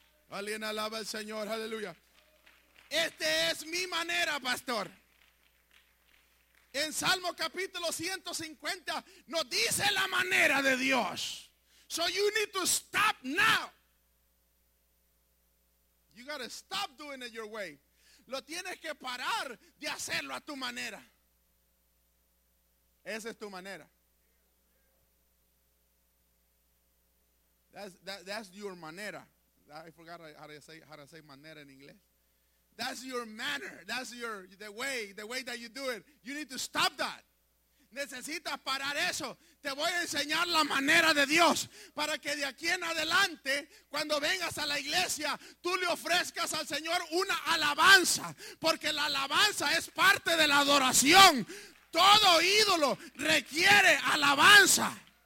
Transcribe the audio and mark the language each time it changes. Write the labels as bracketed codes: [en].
[es] Alguien alaba al Señor, aleluya. Esta es mi manera, pastor. En Salmo capítulo 150 nos dice la manera de Dios. [en] So you need to stop now. You gotta stop doing it your way. [es] Lo tienes que parar de hacerlo a tu manera. Esa es tu manera. [en] That's your manera. I forgot how to say manera in English. That's your manner. That's your the way that you do it. You need to stop that. [es] Necesitas parar eso. Te voy a enseñar la manera de Dios para que de aquí en adelante, cuando vengas a la iglesia, tú le ofrezcas al Señor una alabanza, porque la alabanza es parte de la adoración. Todo ídolo requiere alabanza.